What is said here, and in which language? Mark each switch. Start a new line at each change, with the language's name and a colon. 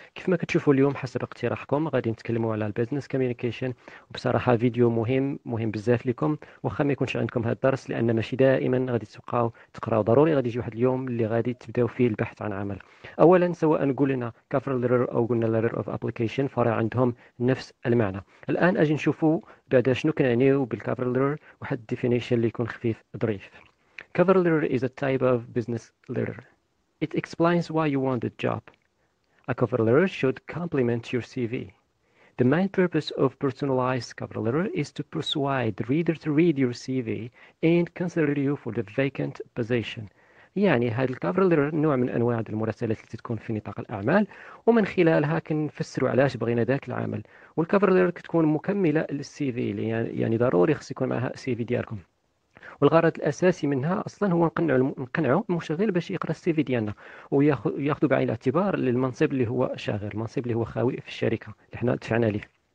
Arabic: كيف ما كتشوفوا اليوم حسب اقتراحكم غادي نتكلموا على البيزنس كوميونيكيشن، وبصراحة فيديو مهم بزاف لكم، واخا ما يكونش عندكم هذا الدرس لأن ماشي دائما غادي تقراو، ضروري غادي يجي واحد اليوم اللي غادي تبداو فيه البحث عن عمل. أولا سواء قلنا كفر لتر أو قلنا لتر أوف أبليكيشن فراه عندهم نفس المعنى. الآن أجي نشوفوا بعد شنو كنعنيو بالكفر لتر، واحد الديفينيشن اللي يكون خفيف ظريف.
English: Cover letter is a type of business letter. It explains why you want a job. A cover letter should complement your CV. The main purpose of personalized cover letter is to persuade the reader to read your CV and consider you for the vacant position.
Arabic: يعني هذا الكفر letter نوع من أنواع المراسلات التي تكون في نطاق الأعمال، ومن خلالها كنفسروا علاش بغينا ذاك العمل. والكفر letter كتكون مكملة للسي في، يعني ضروري خص يكون معها السي في ديالكم، والغرض الاساسي منها اصلا هو نقنعوا المشغل باش يقرا السي في ديالنا وياخذوا بعين الاعتبار للمنصب اللي هو شاغر، المنصب اللي هو خاوي في الشركه اللي حنا دفعنا ليه.